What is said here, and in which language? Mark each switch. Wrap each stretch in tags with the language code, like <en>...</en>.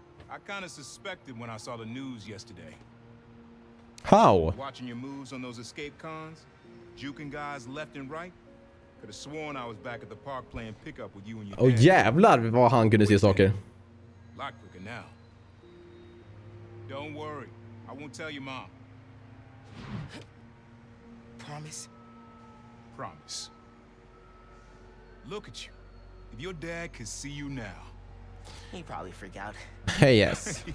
<en>I kind of suspected when I saw the news yesterday. How? Watching your moves on those escape cons, juking guys left and right. Could have sworn I was back at the park playing pickup with you and your dad.</en> <sv>Oh, jävlar vad han kunde se saker.</sv> <en>Lock quicker now. Don't worry, I won't tell your mom. Promise? Promise. Look at you. If your dad could see you now. He'd probably freak out. Hey, yes.</en>